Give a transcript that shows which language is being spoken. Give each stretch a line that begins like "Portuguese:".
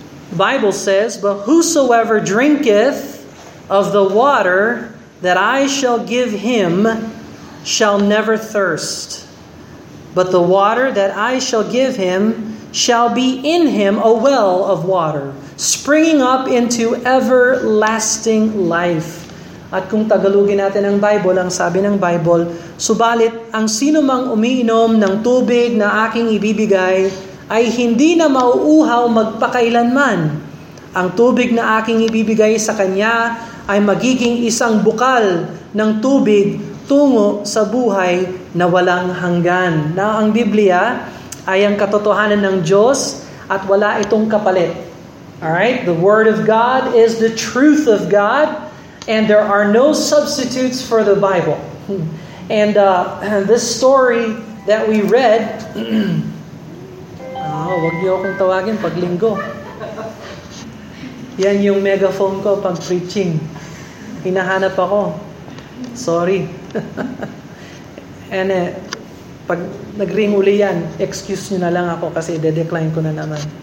English: The Bible says, "But whosoever drinketh of the water that I shall give him shall never thirst. But the water that I shall give him shall be in him a well of water, springing up into everlasting life."
Filipino: At kung tagalugin natin ang Bible, ang sabi ng Bible, "Subalit ang sino mang umiinom ng tubig na aking ibibigay ay hindi na mauuhaw magpakailanman. Ang tubig na aking ibibigay sa kanya ay magiging isang bukal ng tubig tungo sa buhay na walang hanggan." Na ang Biblia ay ang katotohanan ng Diyos at wala itong kapalit.
English: Alright? The Word of God is the truth of God, and there are no substitutes for the Bible. And this story that we read...
Filipino: huwag niyo akong tawagin pag Linggo. Yan yung megaphone ko pag preaching. Hinahanap ako. Sorry. And pag nag-ring uli yan, excuse nyo na lang ako kasi de-decline ko na naman.